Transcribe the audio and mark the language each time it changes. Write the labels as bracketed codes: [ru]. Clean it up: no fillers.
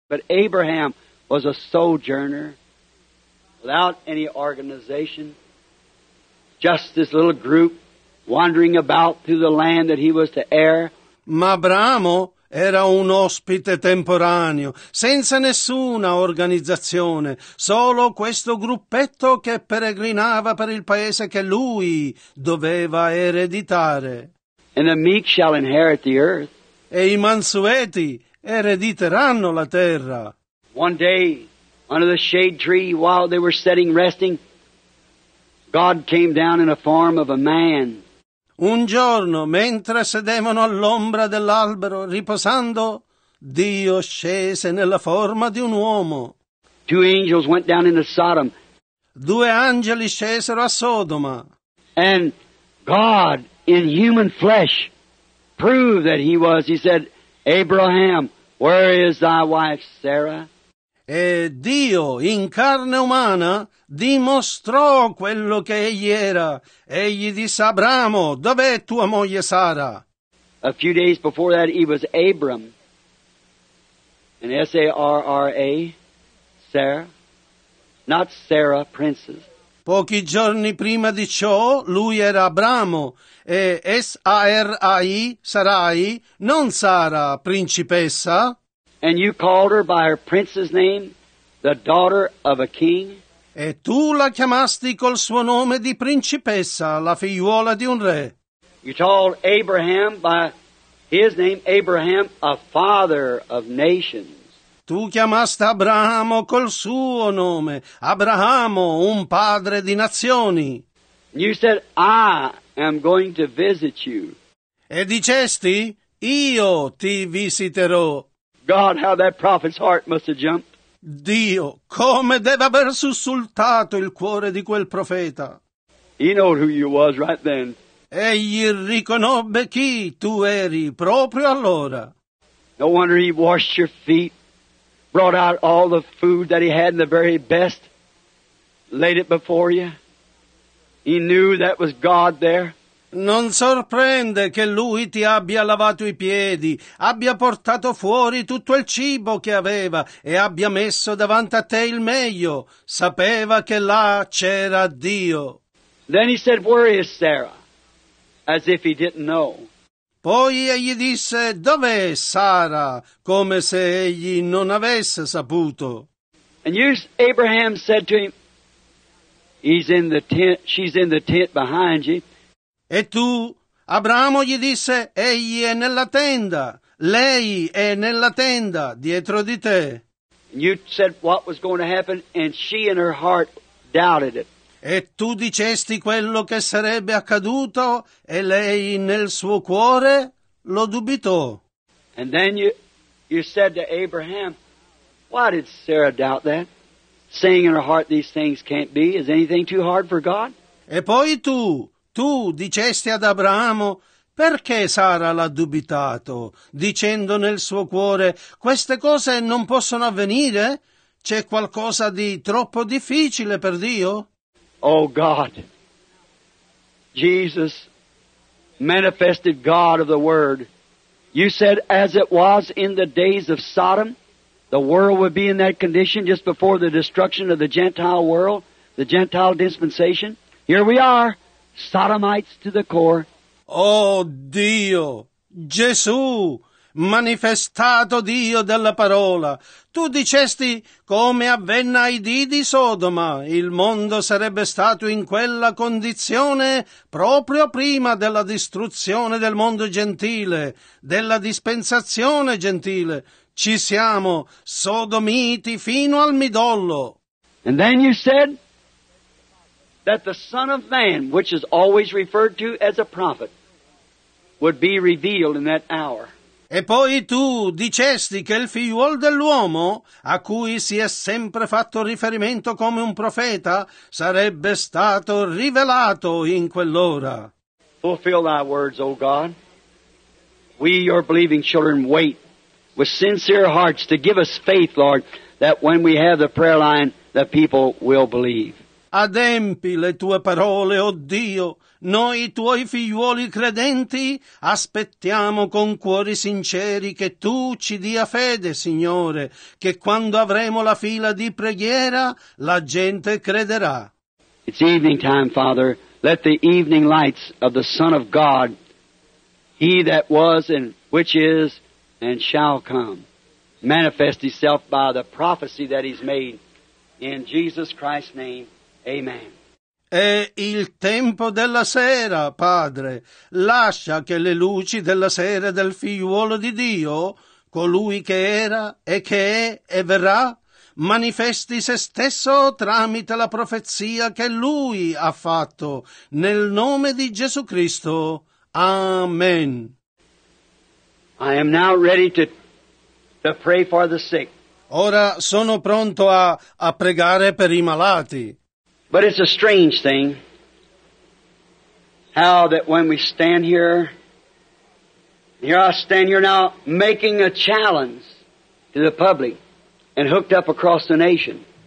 [en] But Abraham was a sojourner. Without any organization, just this little group wandering about through the land that he was to heir. [it] Ma Abramo era un ospite temporaneo, senza nessuna organizzazione, solo questo gruppetto che peregrinava per il paese che lui doveva ereditare. [en] And the meek shall inherit the earth. [it] E i mansueti erediteranno la terra. [en] One day, under the shade tree, while they were sitting resting, God came down in a form of a man. [it] Un giorno, mentre sedevano all'ombra dell'albero, riposando, Dio scese nella forma di un uomo. [en] Two angels went down into Sodom. [it] Due angeli scesero a Sodoma. [en] And God, in human flesh, proved that he was. He said, Abraham, where is thy wife Sarah? [it] E Dio, in carne umana, dimostrò quello che egli era. Egli disse, Abramo, dov'è tua moglie Sara? [en] A few days before that, he was Abram. And S-A-R-R-A, Sarah, not Sarah, princess. [it] Pochi giorni prima di ciò, lui era Abramo. E S-A-R-A-I, Sarai, non Sara, principessa. [en] And you called her by her prince's name, the daughter of a king? [it] E tu la chiamasti col suo nome di principessa, la figliuola di un re. [en] You called Abraham by his name, Abraham, a father of nations. [it] Tu chiamasti Abramo col suo nome, Abramo, un padre di nazioni. [en] You said, I am going to visit you. [it] E dicesti, io ti visiterò. [en] God, how that prophet's heart must have jumped. [it] Dio, come deve aver sussultato il cuore di quel profeta. [en] He knew who you was right then. [it] Egli riconobbe chi tu eri proprio allora. [en] No wonder he washed your feet, brought out all the food that he had and the very best, laid it before you. He knew that was God there. [it] Non sorprende che lui ti abbia lavato i piedi, abbia portato fuori tutto il cibo che aveva e abbia messo davanti a te il meglio. Sapeva che là c'era Dio. [en] Then he said, "Where is Sarah?" As if he didn't know. [it] Poi egli disse, "Dov'è Sara?" Come se egli non avesse saputo. [en] And Abraham said to him, "He's in the tent. She's in the tent behind you." [it] E tu, Abramo gli disse, egli è nella tenda, lei è nella tenda, dietro di te. [en] You said what was going to happen, and she in her heart doubted it. [it] E tu dicesti quello che sarebbe accaduto, e lei nel suo cuore lo dubitò. [en] And then you said to Abraham, why did Sarah doubt that? Saying in her heart these things can't be, is anything too hard for God? [it] E poi tu dicesti ad Abramo, perché Sara l'ha dubitato, dicendo nel suo cuore, queste cose non possono avvenire? C'è qualcosa di troppo difficile per Dio? [en] Oh God, Jesus manifested God of the Word. You said, as it was in the days of Sodom, the world would be in that condition just before the destruction of the Gentile world, the Gentile dispensation. Here we are. Sodomites to the core. [it] Oh Dio, Gesù, manifestato Dio della parola, tu dicesti come avvenne ai dì di Sodoma, il mondo sarebbe stato in quella condizione proprio prima della distruzione del mondo gentile, della dispensazione gentile. Ci siamo, sodomiti fino al midollo. [en] And then you said that the Son of Man, which is always referred to as a prophet, would be revealed in that hour. [it] E poi tu dicesti che il figliuol dell'uomo, a cui si è sempre fatto riferimento come un profeta, sarebbe stato rivelato in quell'ora. [en] Fulfill thy words, O God. We, your believing children, wait with sincere hearts to give us faith, Lord, that when we have the prayer line, the people will believe. [it] Adempi le tue parole, oh Dio. Noi tuoi figliuoli credenti aspettiamo con cuori sinceri che tu ci dia fede, Signore, che quando avremo la fila di preghiera, la gente crederà. [en] It's evening time, Father. Let the evening lights of the Son of God, He that was and which is and shall come, manifest Himself by the prophecy that He's made in Jesus Christ's name. Amen. [it] È il tempo della sera, Padre. Lascia che le luci della sera del figliuolo di Dio, colui che era e che è e verrà, manifesti se stesso tramite la profezia che lui ha fatto. Nel nome di Gesù Cristo. Amen. [en] I am now ready to pray for the sick. [it] Ora sono pronto a pregare per i malati. [en] But it's a strange thing how that when we stand here I stand here now making a challenge to the public and hooked up across the nation.